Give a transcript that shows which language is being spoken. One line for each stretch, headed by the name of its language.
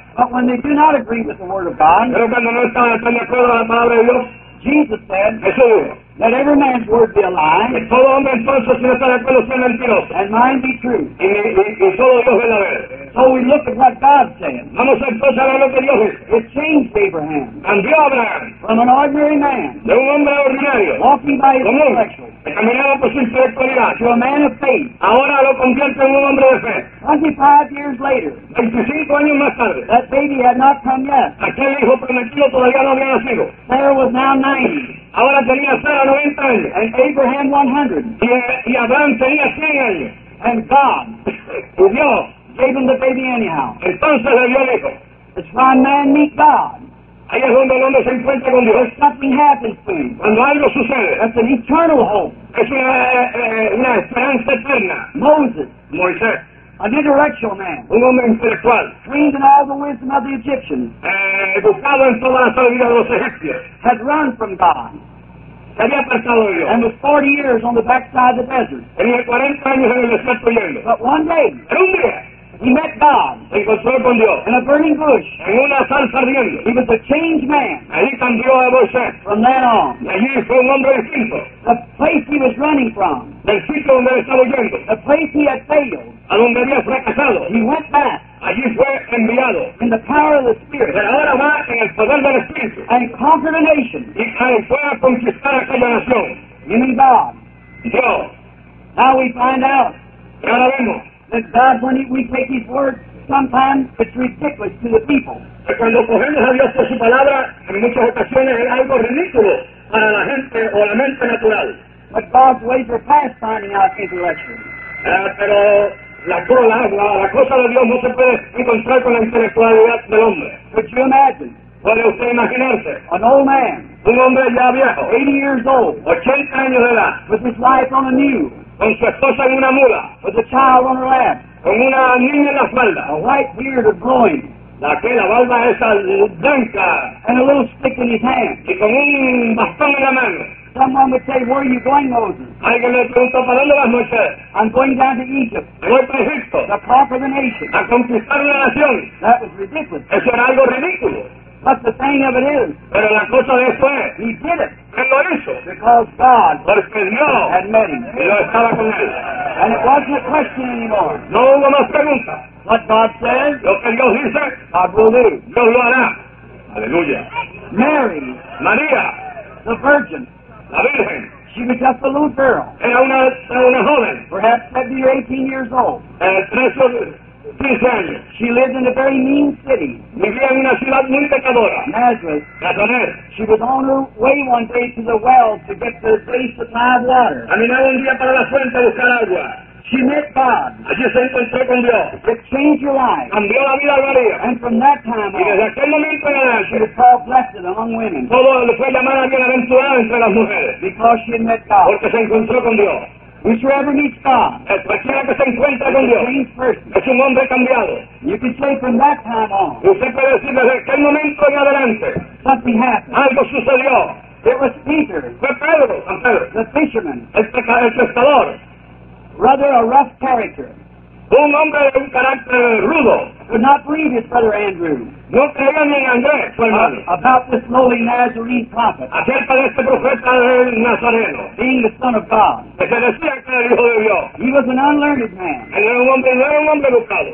English: But when they do not agree with the word of God.
Spanish: Pero cuando no están de acuerdo con la palabra de Dios.
English: Jesus said.
Spanish: Jesús.
English: Let every man's word be a lie.
Spanish: Que todo hombre entonces si no está de acuerdo sea mentiroso.
English: And mine be true.
Spanish: Y solo Dios verdadero.
English: So we look at what God says.
Spanish: Vamos entonces a ver lo que Dios dice.
English: It changed Abraham.
Spanish: Cambió a Abraham.
English: From an ordinary man.
Spanish: De un hombre ordinario.
English: Walking by his intellectual.
Spanish: Caminaba por su intelectualidad.
English: To a man of faith.
Spanish: Ahora lo convierte en un hombre de fe.
English: 25 years later.
Spanish: 25 años más tarde.
English: That baby had not come yet.
Spanish: Aquel hijo prometido todavía no había nacido.
English: Sarah was now 90.
Spanish: Ahora tenía Sara 90 años.
English: And Abraham 100.
Spanish: Y Abraham tenía 100 años.
English: And God.
Spanish: Y Dios.
English: Gave him the baby anyhow.
Spanish: Entonces le dio el hijo.
English: It's when man meet God.
Spanish: Ahí es donde el hombre se encuentra con Dios.
English: When something happens to him.
Spanish: Cuando algo sucede.
English: That's an eternal hope.
Spanish: Es una esperanza eterna.
English: Moses.
Spanish: Moisés.
English: An intellectual man.
Spanish: Un hombre intelectual.
English: Trained in all the wisdom of the Egyptians.
Spanish: Educado en toda la sabiduría de los egipcios.
English: Had run from God.
Spanish: Se había apartado de Dios.
English: And was 40 years on the backside of the desert.
Spanish: Tenía 40 años en el desierto huyendo.
English: But one day.
Spanish: Pero un día.
English: He met God.
Spanish: Se encontró con Dios.
English: In a burning bush.
Spanish: En una zarza ardiendo.
English: He was a changed man.
Spanish: Allí cambió a Moisés.
English: From then on.
Spanish: Allí fue un hombre distinto.
English: The place he was running from.
Spanish: Del sitio donde estaba huyendo.
English: The place he had failed.
Spanish: A donde había fracasado.
English: He went back.
Spanish: Allí fue enviado.
English: In the power of the Spirit.
Spanish: Pero ahora va en el poder del Espíritu.
English: And conquered a nation.
Spanish: Y fue a conquistar aquella nación.
English: Meaning God.
Spanish: Dios.
English: Now we find out.
Spanish: Y ahora vemos.
English: That God, when we take His word, sometimes it's ridiculous to the people.
Spanish: Que cuando cogemos a Dios por su palabra, en muchas ocasiones es algo ridículo para la gente o la mente natural.
English: But God's ways are past finding out intellectually.
Spanish: Pero la cosa de Dios no se puede encontrar con la intelectualidad del hombre.
English: Could you imagine?
Spanish: ¿Puede usted imaginarse?
English: An old man.
Spanish: Un hombre ya viejo.
English: 80 years old.
Spanish: 80 años de edad.
English: With his life on a mule.
Spanish: Con su esposa en una mula.
English: With a child on her lap.
Spanish: Con una niña en la espalda.
English: A white beard of growing.
Spanish: La barba esa blanca.
English: And a little stick in his hand.
Spanish: Y con un bastón en la mano.
English: Someone would say, where are you going, Moses?
Spanish: Alguien le preguntó, ¿para dónde vas, Moisés?
English: I'm going down to Egypt.
Spanish: Me voy para Egipto.
English: To conquer the nation.
Spanish: A conquistar una nación.
English: That was ridiculous.
Spanish: Eso era algo ridículo.
English: But the thing of it is,
Spanish: pero la cosa de eso es,
English: he did it.
Spanish: Él lo hizo.
English: Because God,
Spanish: porque Dios,
English: had met him.
Spanish: Y lo estaba con él.
English: And it wasn't a question anymore.
Spanish: No hubo más pregunta.
English: What God says,
Spanish: lo que Dios dice,
English: God will do.
Spanish: Dios lo hará. Aleluya.
English: Mary,
Spanish: María,
English: the virgin,
Spanish: la virgen.
English: She was just a little girl.
Spanish: Era una joven.
English: Perhaps 70 or 18 years old.
Spanish: 13 años.
English: She lived in a very mean city.
Spanish: Vivía en una ciudad muy pecadora.
English: Nazareth.
Spanish: Nazaret.
English: She was on her way one day to the well to get the daily supply of water.
Spanish: Caminaba un día para la fuente a buscar agua.
English: She met God.
Spanish: Allí se encontró con Dios.
English: It changed her life.
Spanish: Cambió la vida de María.
English: And from that time on,
Spanish: y desde aquel momento en adelante,
English: she was called blessed among women.
Spanish: Todo le fue llamada bienaventurada entre las mujeres.
English: Because she met God.
Spanish: Porque se encontró con Dios.
English: Whosoever meets God,
Spanish: el cualquiera que se encuentra con Dios, es un hombre cambiado.
English: You can say from that time on,
Spanish: usted puede decir desde aquel momento en adelante,
English: something happened.
Spanish: Algo sucedió.
English: It was Peter,
Spanish: fue Pedro,
English: the fisherman,
Spanish: el pescador,
English: rather a rough character,
Spanish: un hombre de un carácter rudo,
English: could not believe his brother Andrew.
Spanish: No creía ni en Andrés, su hermano.
English: About this lowly Nazarene prophet.
Spanish: Acerca de este profeta del Nazareno.
English: Being the son of God.
Spanish: Que se decía que era el hijo de Dios.
English: He was an unlearned man.
Spanish: Él era un hombre, no era un hombre educado.